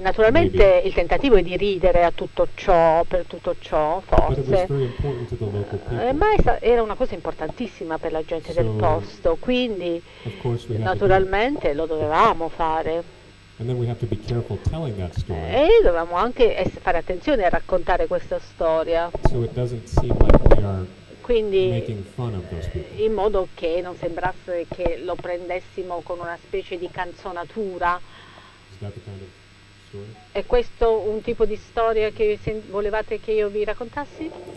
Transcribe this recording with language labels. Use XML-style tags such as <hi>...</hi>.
<it>naturalmente il tentativo è di ridere a tutto ciò, per tutto ciò, forse, ma era una cosa importantissima per la gente del posto, quindi naturalmente lo dovevamo fare.</it> <en>And then we have to be careful telling that story.</en> <it>E dovevamo anche fare attenzione a raccontare questa storia.</it> <en>So it doesn't seem like we are</en> <it>quindi</it> <en>making fun of those people.</en> <it>In modo che non sembrasse che lo prendessimo con una specie di canzonatura.</it> <en>Is that the kind of story?</en> <it>È questo un tipo di storia che volevate che io vi raccontassi?</it>